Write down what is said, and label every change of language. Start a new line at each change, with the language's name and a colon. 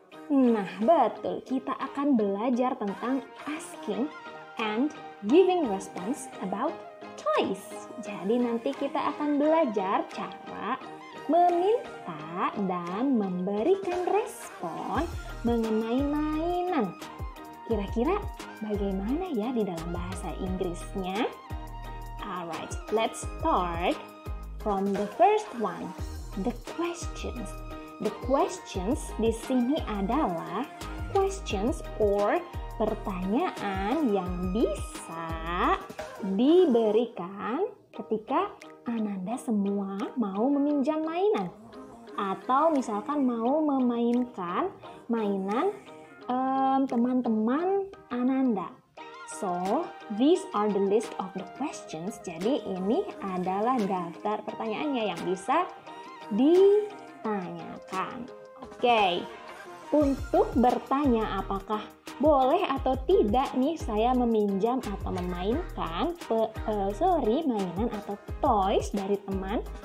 Indonesian: Nah, betul. Kita akan belajar tentang
English: asking and giving response about toys.
Indonesian: Jadi nanti kita akan belajar cara meminta dan memberikan respon mengenai mainan. Kira-kira bagaimana ya di dalam bahasa Inggrisnya?
English: Alright, let's start from the first one, the questions.
Indonesian: The questions di sini adalah questions or pertanyaan yang bisa diberikan ketika Ananda semua mau meminjam mainan. Atau misalkan mau memainkan mainan teman-teman Ananda.
English: So, these are the list of the questions.
Indonesian: Jadi, ini adalah daftar pertanyaannya yang bisa ditanyakan. Okay. Untuk bertanya apakah boleh atau tidak nih saya meminjam atau memainkan mainan atau toys dari teman.